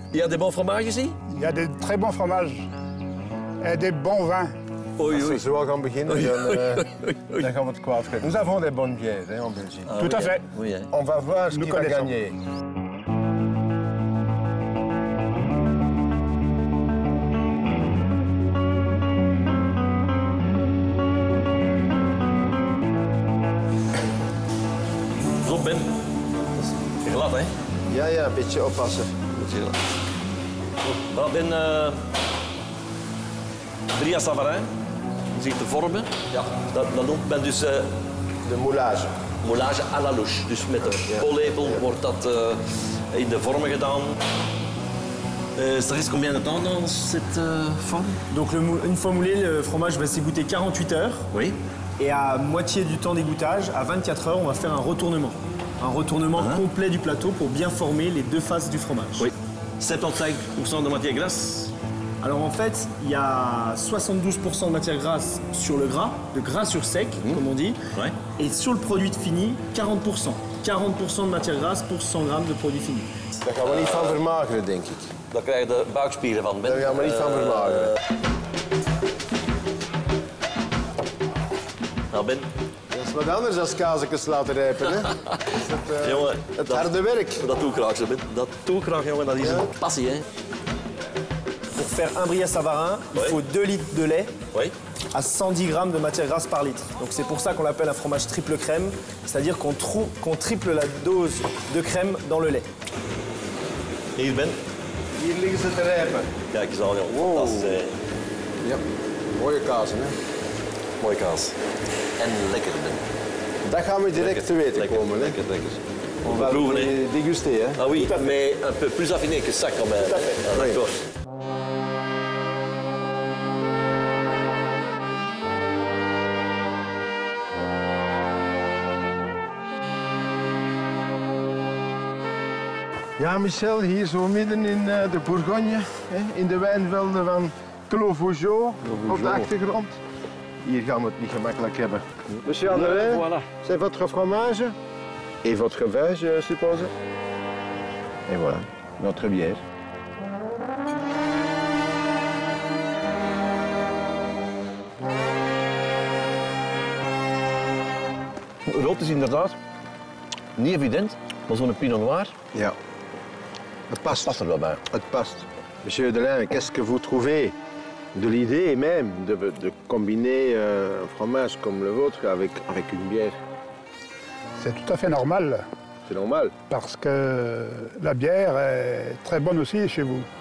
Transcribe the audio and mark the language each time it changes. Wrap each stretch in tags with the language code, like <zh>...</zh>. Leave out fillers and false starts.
<fr>Il y a des bons fromages ici? Il y a des très bons fromages. Et des bons vins. Oui, oui.</fr> <nl>Als we zo gaan beginnen, dan gaan we het kwaad krijgen.</nl> <fr>Nous avons des bonnes bières en Belgique. Ah, tout oui, à fait. Oui, on va voir ce qui va gagner.</fr> <nl>Een beetje oppassen. Dat ben Brillat Savarin. Je ziet de vormen. Ja, dat noemt men dus de moulage.</nl> <fr>Moulage à la louche.</fr> <nl>Dus met de pollepel wordt dat in de vormen gedaan.</nl> <fr>Ça reste combien de temps dans cette forme? Donc une fois moulé, le fromage va s'égoutter 48 heures. Oui. Et à moitié du temps d'égouttage, à 24 heures, on va faire un retournement. Un retournement complet du plateau pour bien former les deux faces du fromage. Oui. 75% de matière grasse. Alors en fait, il y a 72% de matière grasse sur le gras, de gras sur sec, comme on dit. Ouais. Et sur le produit fini, 40%. 40% de matière grasse pour 100 grammes de produit fini.</fr> <nl>Daar gaan we niet van vermageren, denk ik. Daar krijg je de buikspieren van. Daar gaan we niet van vermageren. Nou, Ben. Wat anders dan kaasjes laten rijpen, hè? Jongen, het harde werk. Dat doe ik graag, Ben. Dat doe ik graag, jongen. Dat is een passie, hè?</nl> <fr>Pour faire un Brillat Savarin, il faut 2 litres de lait à 110 grammes de matière grasse par litre. Donc c'est pour ça qu'on l'appelle un fromage triple crème, c'est-à-dire qu'on triple la dose de crème dans le lait.</fr> <nl>Hier, Ben. Hier liggen ze te rijpen. Kijk eens al, jongen. Wow. Dat is, ja, mooie kaas, hè? Mooie kaas. En lekker, Ben. Dat gaan we direct te weten komen. Lekker, lekker.</nl> <fr>On va proeven, hè. Déguster, hè. Ah oui, mais un peu plus affiné que ça, quand même. D'accord.</fr> <nl>Ja, Michel, hier zo midden in de Bourgogne, in de wijnvelden van Clos Vougeot, op de achtergrond. Hier gaan we het niet gemakkelijk hebben.</nl> <fr>Monsieur André, c'est votre fromage? Et votre vin, je suppose? Et voilà, notre bière.</fr> <nl>Rood is inderdaad niet evident, maar zo'n Pinot Noir. Ja. Het past. Het past er wel bij. Het past.</nl> <fr>Monsieur Delain, qu'est-ce que vous trouvez de l'idée même de combiner un fromage comme le vôtre avec une bière? C'est tout à fait normal. C'est normal. Parce que la bière est très bonne aussi chez vous.</fr>